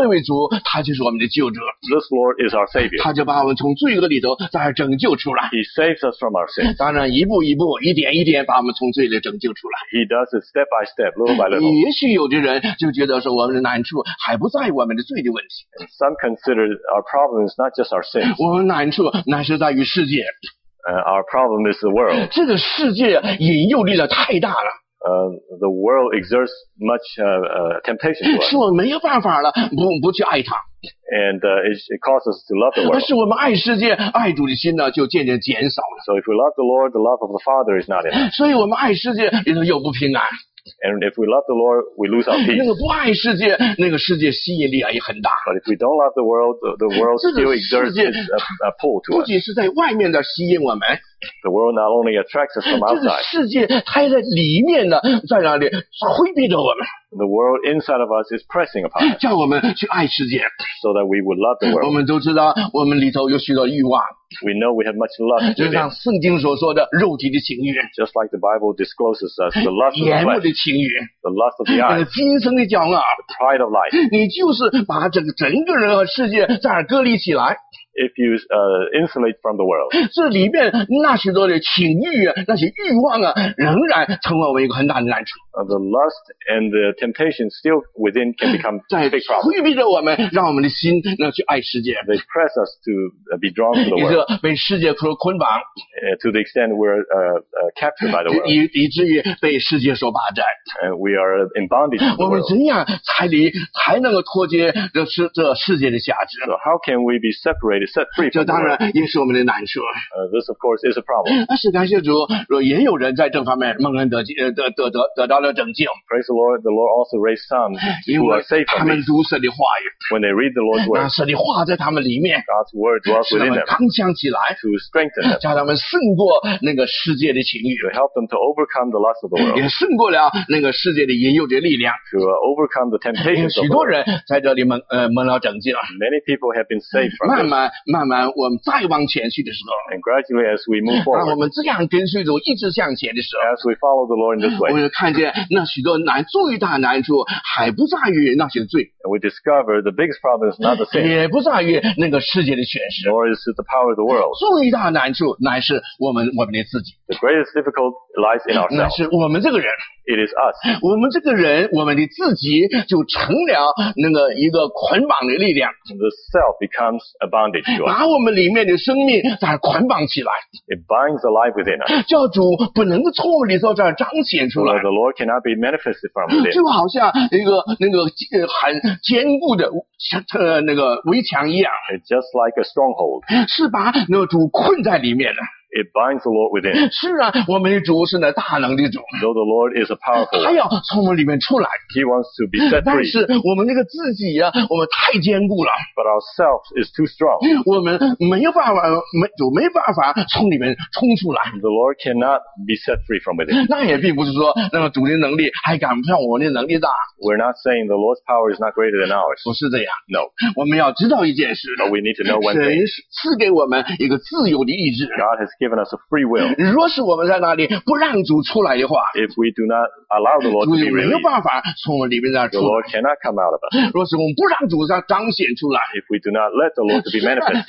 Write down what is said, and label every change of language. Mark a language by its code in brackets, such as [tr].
[zh] 这位主他就是我们的救主。 [en] This Lord is our Savior. [zh] 他就把我们从罪恶里头再拯救出来。 [en] He saves us from our sin. [zh] 当然一步一步一点一点把我们从罪里拯救出来。 [en] He does it step by step, little by little. [zh] 也许有的人就觉得说我们的难处还不在于我们的罪的问题。 [en] Some consider our problem is not just our sins. [zh] 我们难处乃是在于世界。 [en] Our problem is the world. [zh] 这个世界引诱力量太大了。 [en] The world exerts much temptation. [zh] 是我们没有办法了，不去爱它。 [en] And it causes us to love the world. [zh] 但是我们爱世界，爱主的心呢，就渐渐减少了。 [en] So if we love the Lord, the love of the Father is not enough. [zh] 所以我们爱世界，里头又不平安。 [en] And if we love the Lord, we lose our peace. [zh] 那个不爱世界，那个世界吸引力啊也很大。 [en] But if we don't love the world, the world still exerts a pull to us. [zh] 不仅是在外面的吸引我们。 [en] The world not only attracts us from outside. [zh] 世界它也在里面呢，在那里挥逼着我们。 [en] The world inside of us is pressing upon us. [zh] 叫我们去爱世界。 [en] So that we would love the world. [zh] 我们都知道，我们里头有许多欲望。 [en] We know we have much lust. [zh] 就像圣经所说的肉体的情欲。 [en] Just like the Bible discloses us the lust of the flesh. [zh] 眼目的情欲。 [en] The lust of the eyes. [zh] 那个今生的骄傲。 [en] The pride of life. [zh] 你就是把整个人和世界在那儿隔离起来。 [en] If you insulate from the world. [zh] 这里面那许多的情欲啊，那些欲望啊，仍然成为我们一个很大的难处。 [en] The lust and the temptation still within can become a big problem. [zh] 在挥逼着我们，让我们的心那去爱世界。 [en] They press us to be drawn to the world. [zh] 被世界所捆绑 [en] to the extent we're captured by the world [zh] 以至于被世界所霸占 [en] we are in bondage to the world [zh] 我们怎样才能够脱节 这世界的辖制 [en] so how can we be separated set free from the world [zh] 这当然也是我们的难处 [en] this of course is a problem [zh] 但是感谢主也有人在这方面蒙恩 得到了拯救 [en] praise the Lord also raised some who are safe from [zh] me 他们读神的话语 [en] when they read the Lord's word [zh] 神的话在他们里面 [en] God's word dwells within them [zh] 强起来 [en] to strengthen them, [zh] 叫他们胜过那个世界的情欲 [en] to help them to overcome the lust of the world, [zh] 也胜过了那个世界的引诱的力量 [en] to overcome the temptations of the world [zh] 许多人在这里蒙了拯救 [en] many people have been saved from [zh] 慢慢我们再往前去的时候 [en] and gradually as we move forward [zh] 当我们这样跟随主一直向前的时候 [en] as we follow the Lord in this way [zh] 我们看见那许多最大难处还不在于那些罪 [en] and we discover the biggest problem is not the sin [zh] 也不在于那个世界的权势 [en] nor is it the power the world. [zh] 最大难处乃是我们的自己。 [en] The greatest difficulty lies in ourselves. [zh] 乃是我们这个人。 [en] It is us. [zh] 我们这个人，我们的自己就成了那个一个捆绑的力量。 [en] The self becomes a bondage to us. [zh] 把我们里面的生命在捆绑起来。 [en] It binds the life within us. [zh] 叫主不能从我们里头这儿彰显出来。 [en] The Lord cannot be manifested from within. [zh] 就好像一个那个很坚固的那个围墙一样。 [en] It's just like a stronghold. [zh] 是把那主困在里面了。 [en] It binds the Lord within. [zh] 是啊，我们的主是那大能的主。 [en] Though the Lord is a powerful one. [zh] 他要从我们里面出来。 [en] He wants to be set free. [zh] 但是我们那个自己啊，我们太坚固了。 [en] But ourselves is too strong. [zh] 我们没办法从里面冲出来。 [en] The Lord cannot be set free from within. [zh] 那也并不是说那个主的能力还赶不上我们的能力大。 [en] We're not saying the Lord's power is not greater than ours. [zh] 不是这样。 [en] No. [zh] 我们要知道一件事。 [en] But we need to know one thing. [zh] 神赐给我们一个自由的意志。 [en] God has given us a free will. [zh] 若是我们在那里不让主出来的话， [en] if we do not allow the Lord to be released, [zh] 主没有办法从我们里面那出来。 [en] The Lord cannot come out of us. [zh] 若是我们不让主在彰显出来， [en] if we do not let the Lord to be manifested,